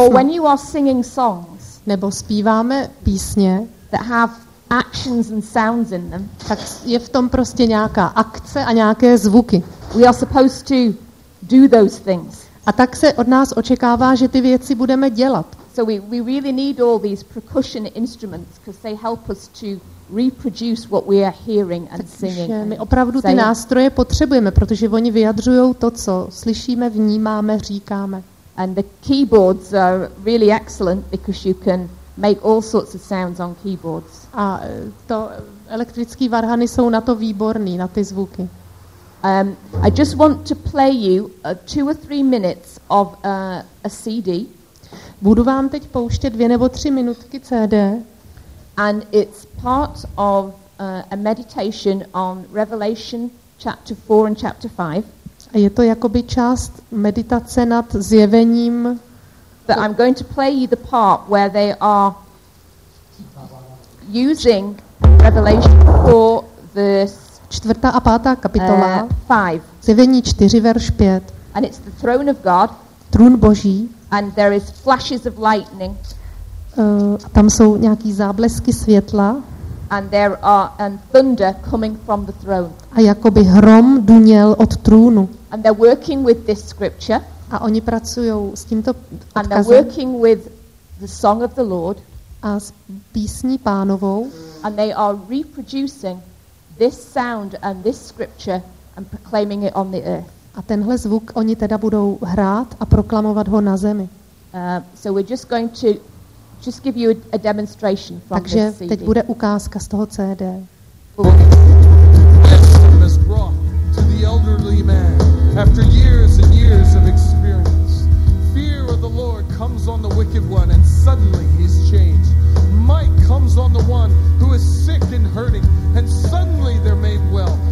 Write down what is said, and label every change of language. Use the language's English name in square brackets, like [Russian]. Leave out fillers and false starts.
[English] or when you are singing songs, [Czech] nebo zpíváme písně, [English] that have actions and sounds in them. [Czech] Tak je v tom prostě nějaká akce a nějaké zvuky. [English] We are supposed to do those things. [Czech] A tak se od nás očekává, že ty věci budeme dělat. [English] So we really need all these percussion instruments because they help us to reproduce what we are hearing and singing. [Czech] My opravdu ty nástroje potřebujeme, protože oni vyjadřují to, co slyšíme, vnímáme, říkáme. [English] And the keyboards are really excellent because you can make all sorts of sounds on keyboards. [Czech] A to elektrický varhany jsou na to výborný, na ty zvuky. [English] I just want to play you two or three minutes of a CD. [Czech] Budu vám teď pouštět dvě nebo tři minutky CD. [English] And it's part of a meditation on Revelation chapter 4 and chapter 5. [Czech] Je to jakoby část meditace nad zjevením. [English] But I'm going to play you the part where they are using Revelation 4 verse [Czech] 4. a 5. kapitola. [English] 5. [Czech] Zjevení 4 verš 5. [English] And it's the throne of God. [Czech] Trůn Boží. [English] And there is flashes of lightning. [Czech] Tam jsou nějaký záblesky světla. [English] And there are and thunder coming from the throne. [Czech] A jakoby hrom duněl od trůnu. [English] And they're working with this scripture. [Czech] A oni pracují s tímto odkazem. [English] And they're working with the song of the Lord. [Czech] A s písní pánovou. [English] And they are reproducing this sound and this scripture and proclaiming it on the earth. [Czech] A tenhle zvuk oni teda budou hrát a proklamovat ho na zemi. [English] So we're just going to just give you a demonstration from [Czech] takže [English] this CD. [Czech] Teď bude ukázka z toho CD. [English] This was brought to the elderly man after years and years of experience. Fear of the Lord comes on the wicked one and suddenly he's changed. Might comes on the one who is sick and hurting and suddenly they're made well.